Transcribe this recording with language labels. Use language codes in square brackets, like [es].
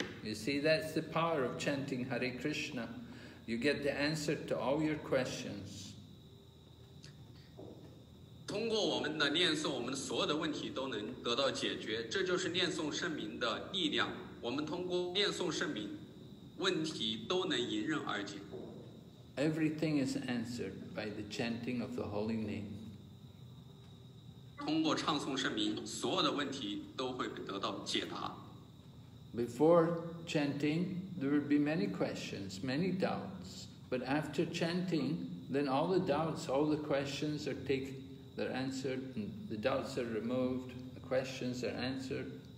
[en] You see, that's the power of chanting Hare Krishna. You get the answer to all your questions. [zh] 通过我们的念诵，我们所有的问题都能得到解决。这就是念诵圣名的力量。我们通过念诵圣名，问题都能迎刃而解。 [en] Everything is answered by the chanting of the holy name. [zh] 通过唱诵圣名，所有的问题都会得到解答。 [en] Before chanting, there would be many questions, many doubts. But after chanting, then all the doubts, all the questions are taken, they're answered, and the doubts are removed, the questions are answered.